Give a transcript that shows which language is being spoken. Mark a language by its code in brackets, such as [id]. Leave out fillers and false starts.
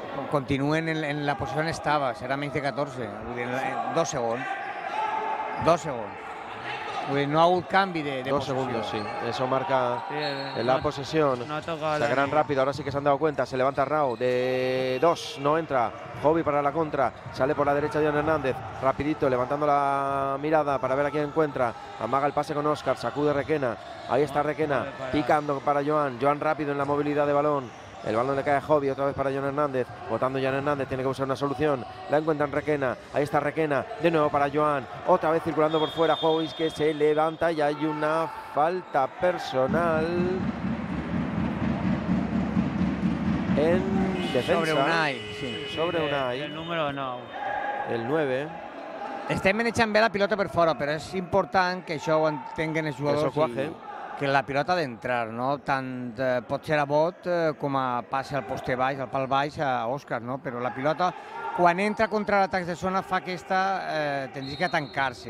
[ca] Continuen en la posició on estava, serà menys de 14, vull dir, dos segons. Dos segons. Vull dir, no ha hagut canvi de posició. Dos segons, sí. Eso marca la possessió. No ha tocat. Seguiran ràpid, ara sí que s'han [es] dado cuenta. Se levanta Rau, de dos, no entra. Jovi para la contra, sale por la derecha Dion Hernández, rapidito, levantando la mirada para ver a quién encuentra. Amaga el pase con Óscar, sacude Requena. Ahí está Requena, picando para Joan. Joan rápido en la movilidad de balón. El balón le cae a Jovi, otra vez para Jon Hernández. Botando Jon Hernández, tiene que buscar una solución. La encuentra en Requena, ahí está Requena. De nuevo para Joan, otra vez circulando por fuera. Jovi que se levanta y hay una falta personal en defensa. Sobre Unai, sí. Sobre Unai. El número 9. El 9. [ca] Estem menjant bé la pilota per fora, però és important que això ho entenguin els jugadors. [es] Eso cuaje. [ca] Que la pilota ha d'entrar, no? Tant pot ser a bot com a passe al poste baix, al pal baix, a Òscar, no? Però la pilota, quan entra contra l'atac de zona, fa aquesta, tendria que tancar-se.